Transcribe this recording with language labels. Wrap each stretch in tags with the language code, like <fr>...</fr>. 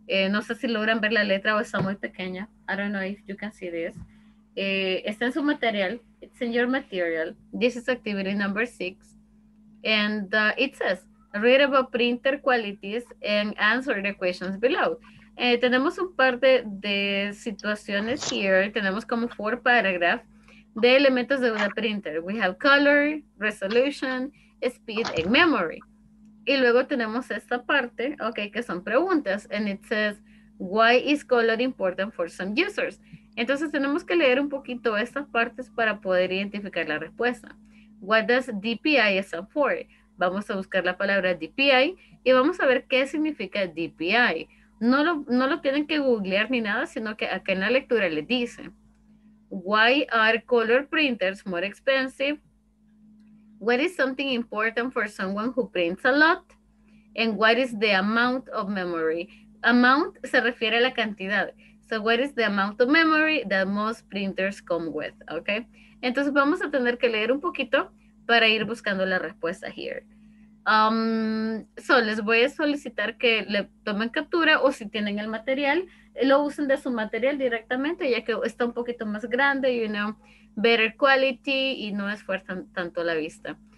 <es>No sé si logran ver la letra o está muy pequeña.</es> <en>I don't know if you can see this.</en> <es>Está en su material,</es> <en>it's in your material. This is activity number 6. And it says, read about printer qualities and answer the questions below.</en> <es>Tenemos un par de situaciones here. Tenemos como 4 paragraphs de elementos de una printer.</es> <en>We have color, resolution, speed, and memory.</en> <es>Y luego tenemos esta parte, okay, que son preguntas.</es> <en>And it says, why is color important for some users?</en> <es>Entonces tenemos que leer un poquito estas partes para poder identificar la respuesta.</es> <en>What does DPI stand for?</en> <es>Vamos a buscar la palabra DPI y vamos a ver qué significa DPI. No lo tienen que googlear ni nada, sino que acá en la lectura le dice.</es> <en>Why are color printers more expensive? What is something important for someone who prints a lot? And what is the amount of memory?</en> <es>Amount se refiere a la cantidad.</es> <en>So what is the amount of memory that most printers come with? Okay.</en> <es>Entonces vamos a tener que leer un poquito para ir buscando la respuesta here. So les voy a solicitar que le tomen captura o si tienen el material, lo usen de su material directamente, ya que está un poquito más grande,</es> <en>you know, better quality</en> <es>y no esfuerzan tanto la vista.</es>